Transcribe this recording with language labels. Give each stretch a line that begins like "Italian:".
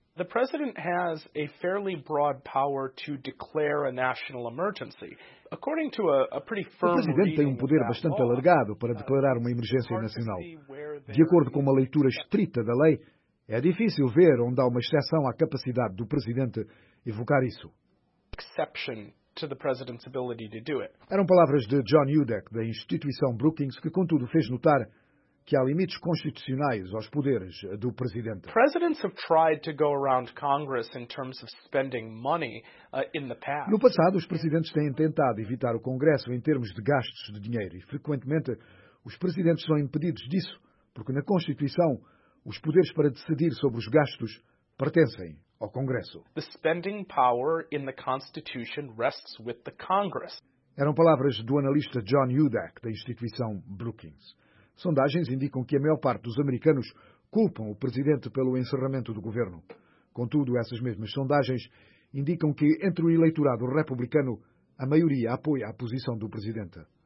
English: The president has a fairly broad power to declare a national emergency. According to a pretty firm
Portuguese: O presidente tem poder bastante alargado para declarar uma emergência nacional. De acordo com uma leitura estrita da lei, é difícil ver onde há uma exceção à capacidade do presidente evocar isso.
English: Exception to the president's ability to do it.
Portuguese: Eram palavras de John Udeck, da instituição Brookings, que contudo fez notar que há limites constitucionais aos poderes do presidente.
English: Presidents have tried to go around Congress in terms of spending money in the past.
Portuguese: No passado, os presidentes têm tentado evitar o Congresso em termos de gastos de dinheiro e, frequentemente, os presidentes são impedidos disso, porque na Constituição os poderes para decidir sobre os gastos pertencem ao Congresso.
English: The spending power in the Constitution rests with the Congress.
Portuguese: Eram palavras do analista John Udeck, da instituição Brookings. Sondagens indicam que a maior parte dos americanos culpam o presidente pelo encerramento do governo. Contudo, essas mesmas sondagens indicam que, entre o eleitorado republicano, a maioria apoia a posição do presidente.